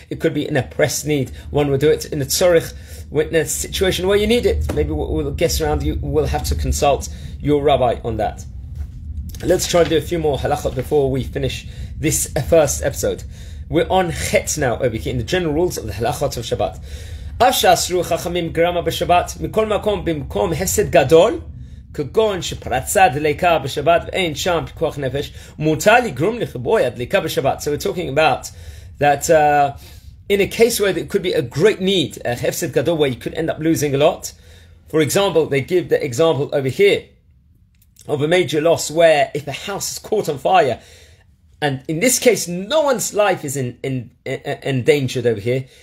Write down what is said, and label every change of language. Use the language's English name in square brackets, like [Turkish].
[English] It could be in a press need. One would do it in a tzorich witness situation where you need it. Maybe we'll guess around you. We'll have to consult your rabbi on that. Let's try to do a few more halachot before we finish this first episode. We're on chet now, over here, in the general rules of the halachot of Shabbat. [Hebrew] אף שאסרו חכמים גרמה בשבת, מכל מקום במקום הסד גדול, כגון שפרצה דליקה בשבת ואין שם פיקוח נפש, מותר לגרום לחיבוי הדליקה בשבת. [English] So we're talking about that in a case where there could be a great need, a hefsed gadol, where you could end up losing a lot. For example, they give the example over here of a major loss where if a house is caught on fire, and in this case, no one's life is endangered over here.